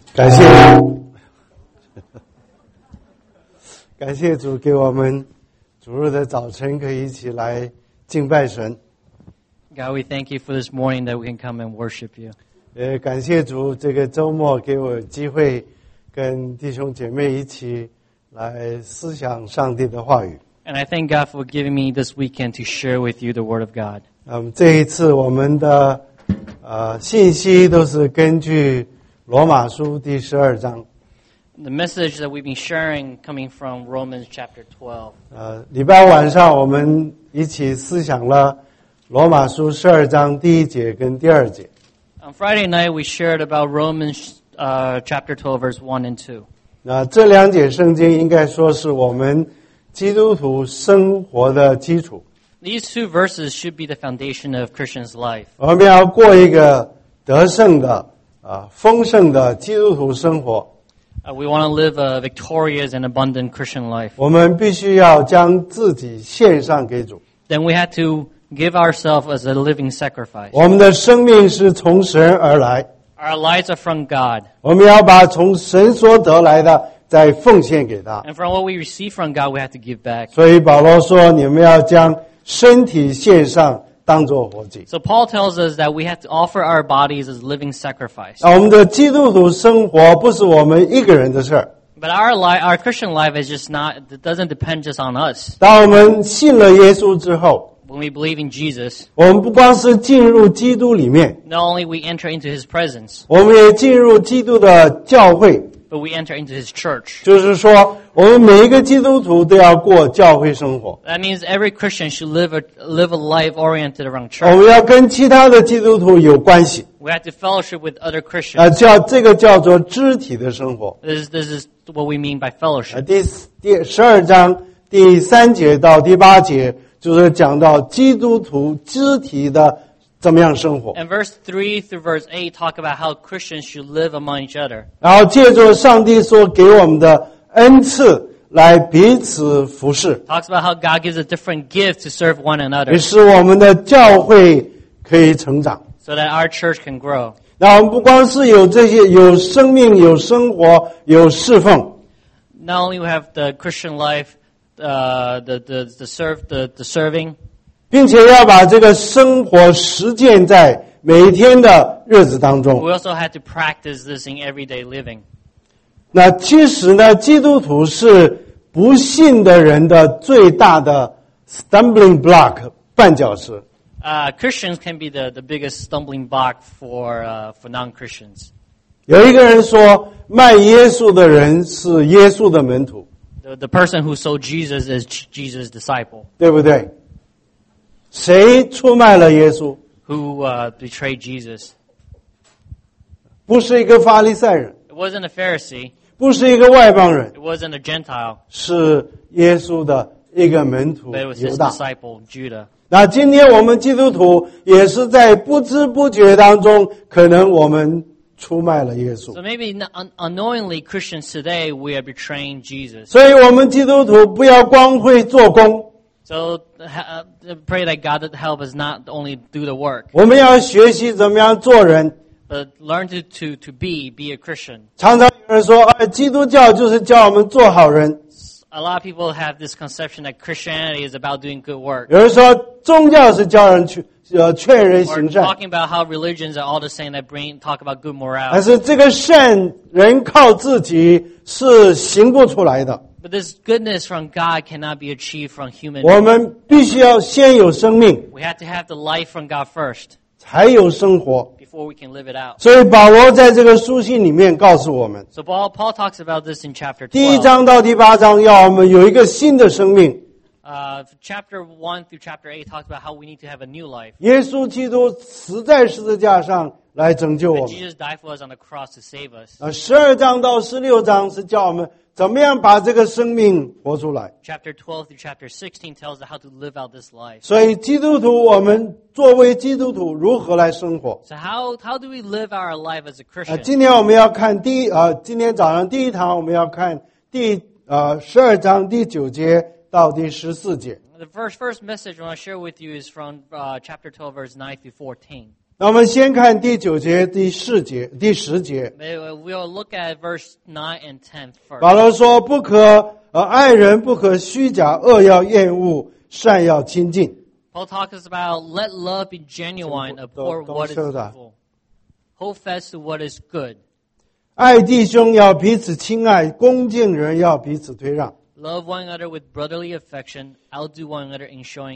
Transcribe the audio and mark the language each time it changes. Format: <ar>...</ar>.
<zh>感谢主，感谢主给我们主日的早晨可以一起来敬拜神。</zh> <en>God, we thank you for this morning that we can come and worship you.</en> <zh>感谢主这个周末给我机会跟弟兄姐妹一起来思想上帝的话语。</zh> <en>And I thank God for giving me this weekend to share with you the Word of God.</en> <zh>这一次我们的信息都是根据罗马书第十二章。</zh> <en>The message that we've been sharing coming from Romans chapter 12.</en> <zh>礼拜晚上我们一起思想了罗马书十二章第一节跟第二节。</zh> <en>On Friday night, we shared about Romans chapter 12, verse 1 and 2.</en> <zh>那这两节圣经应该说是我们基督徒生活的基础。</zh> <en>These two verses should be the foundation of Christian's life.</en> <zh>我们要过一个得胜的丰盛的基督徒生活。</zh> <en>We want to live a victorious and abundant Christian life.</en> <zh>我们必须要将自己献上给主。</zh> <en>Then we have to give ourselves as a living sacrifice.</en> <zh>我们的生命是从神而来。</zh> <en>Our lives are from God.</en> <zh>我们要把从神所得来的再奉献给他。</zh> <en>And from what we receive from God, we have to give back.</en> <zh>所以保罗说，你们要将身体献上当作活祭。</zh> <en>So Paul tells us that we have to offer our bodies as living sacrifice.</en> <zh>我们的基督徒生活不是我们一个人的事儿。</zh> <en>But our Christian life is just not, it doesn't depend just on us.</en> <zh>当我们信了耶稣之后，</zh> <en>When we believe in Jesus,</en> <zh>我们不光是进入基督里面，</zh> <en>Not only we enter into his presence,</en> <zh>我们也进入基督的教会，</zh> <en>But we enter into his church.</en> <zh>就是说我们每一个基督徒都要过教会生活。</zh> <en>That means every Christian should live a life oriented around church.</en> <zh>我们要跟其他的基督徒有关系。</zh> <en>We have to fellowship with other Christians.</en> <zh>这个叫做肢体的生活。</zh> <en>This is what we mean by fellowship.</en> <zh>第十二章第三节到第八节就是讲到基督徒肢体的怎么样生活。</zh> <en>And verse 3 through verse 8 talk about how Christians should live among each other.</en> <zh>然后借助上帝所给我们的恩赐来彼此服侍。</zh> <en>Talks about how God gives a different gift to serve one another.</en> <zh>也使我们的教会可以成长。</zh> <en>So that our church can grow.</en> <zh>那我们不光是有这些，有生命，有生活，有侍奉。</zh> <en>Not only we have the Christian life, the serving.</en> <zh>并且要把这个生活实践在每一天的日子当中。</zh> <en>We also have to practice this in everyday living.</en> <zh>那其实呢，基督徒是不信的人的最大的</zh> <en>stumbling block</en> <zh>绊脚石。</zh> <en>Christians can be the biggest stumbling block for non-Christians.</en> <zh>有一个人说，卖耶稣的人是耶稣的门徒。</zh> <en>The person who sold Jesus is Jesus' disciple.</en> <zh>对不对？谁出卖了耶稣</zh> <en>？Who betrayed Jesus？</en> <zh>不是一个法利赛人。</zh> <en>It wasn't a Pharisee.</en> <zh>不是一个外邦人。</zh> <en>It wasn't a Gentile.</en> <zh>是耶稣的一个门徒</zh> <en>犹大。But it was his disciple, Judah.</en> <zh>那今天我们基督徒也是在不知不觉当中，可能我们出卖了耶稣。</zh> <en>So maybe unknowingly Christians today, we are betraying Jesus.</en> <zh>所以我们基督徒不要光会做工。</zh> <en>So pray that God help us not only do the work.</en> <zh>我们要学习怎么样做人。</zh> <en>But learn to be a Christian.</en> <zh>常常有人说，基督教就是教我们做好人。</zh> <en>A lot of people have this conception that Christianity is about doing good work.</en> <zh>有人说，宗教是教人劝人行善。</zh> <en>Or talking about how religions are all the same that talk about good morality.</en> <zh>但是这个善人靠自己是行不出来的。</zh> <en>But this goodness from God cannot be achieved from human.</en> <zh>我们必须要先有生命。</zh> <en>We have to have the life from God first.</en> <zh>才有生活。</zh> <en>Before we can live it out.</en> <zh>所以保罗在这个书信里面告诉我们，</zh> <en>So Paul talks about this in chapter 12.</en> <zh>第一章到第八章要我们有一个新的生命。</zh> <en>Chapter 1 through chapter 8 talks about how we need to have a new life.</en> <zh>耶稣基督死在十字架上来拯救我们。</zh> <en>Jesus died for us on the cross to save us.</en> <zh>12章到16章是叫我们怎么样把这个生命活出来。</zh> <en>Chapter 12 through chapter 16 tells us how to live out this life.</en> <zh>所以基督徒，我们作为基督徒如何来生活。</zh> <en>So how do we live our life as a Christian?</en> <zh>今天我们要看今天早上第一堂我们要看12章第9节到第14节。</zh> <en>The first message I want to share with you is from chapter 12 verse 9 through 14.</en> <zh>那我们先看第九节、第四节、第十节。</zh> <en>We'll look at verse 9 and 10 first.</en> <zh>保罗说：“不可爱人，不可虚假，恶要厌恶，善要亲近。”</zh> <en>Paul talks about let love be genuine, abhor what is evil, hold fast to what is good.</en> <zh>爱弟兄要彼此亲爱，恭敬人要彼此推让。</zh> <en>Love one another with brotherly affection, outdo one another in showing</en>